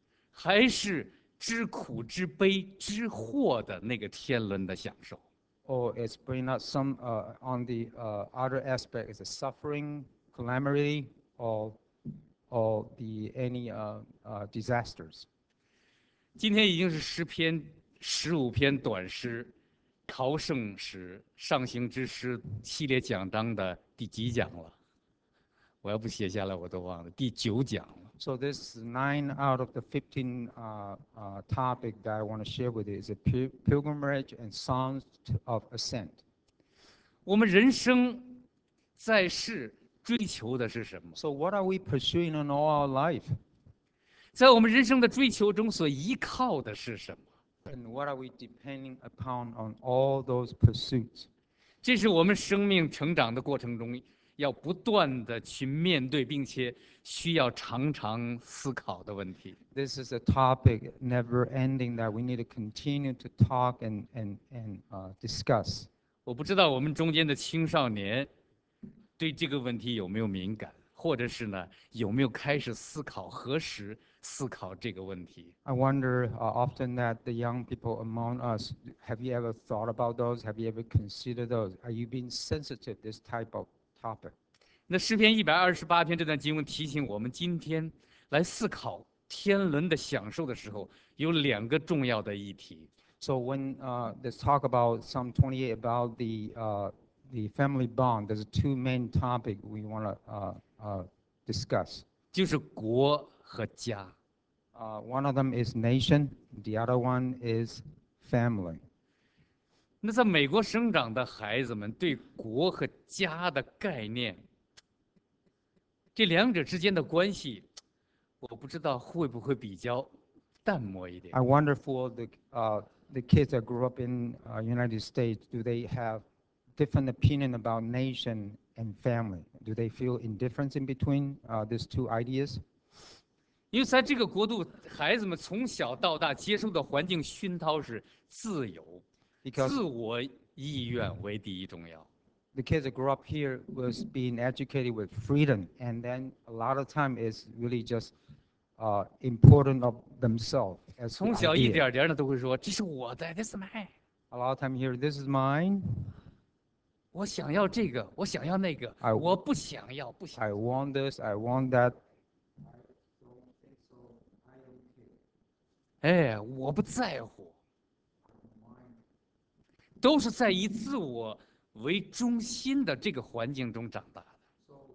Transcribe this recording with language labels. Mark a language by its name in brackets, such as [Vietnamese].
[Chinese] 还是知苦知悲知祸的那个天伦的享受? [English] Or it's bringing us some on the other aspect, is a suffering, calamity, or the any disasters. [Chinese] 今天已经是诗篇十五篇短诗朝圣诗上行之诗系列讲章的第几讲了我要不写下来我都忘了第九讲了 [English] So this nine out of the 15 topic that I want to share with you is a pilgrimage and songs of ascent [Chinese] 我们人生在世追求的是什么 [English] So what are we pursuing in all our life [Chinese] 在我们人生的追求中所依靠的是什么 [English] And what are we depending upon on all those pursuits? [Chinese] 这是我们生命成长的过程中要不断地去面对并且需要常常思考的问题。 [English] This is a topic never ending that we need to continue to talk and discuss. [Chinese] 我不知道我们中间的青少年对这个问题有没有敏感或者是呢有没有开始思考何时思考这个问题。 [English] I wonder often that the young people among us, have you ever thought about those? Have you ever considered those? Are you being sensitive to this type of topic? [Chinese] 那诗篇128篇这段经文提醒我们今天来思考天伦的享受的时候有两个重要的议题。 [English] So when let's talk about Psalm 28 about the family bond, there's two main topics we want to discuss. [Chinese] 就是国和家 [English] one of them is nation, the other one is family. [Chinese] 那在美国生长的孩子们对国和家的概念，这两者之间的关系，我不知道会不会比较淡漠一点。 [English] I wonder for the kids that grew up in United States, do they have different opinion about nation and family? Do they feel indifference in between these two ideas? [Chinese] 因为在这个国度，孩子们从小到大接受的环境熏陶是自由， [English] Because、 [Chinese] 自我意愿为第一重要。 [English] The kids that grew up here was being educated with freedom, and then a lot of time is really just, important of themselves. As [Chinese] 从小一点点的都会说，这是我的 ， [English] this is mine. A lot of time here, this is mine. [Chinese] 我想要这个，我想要那个， [English] I, [Chinese] 我不想要，不想要。 [English] I want this, I want that. [Chinese] 哎，我不在乎，都是在以自我为中心的这个环境中长大的。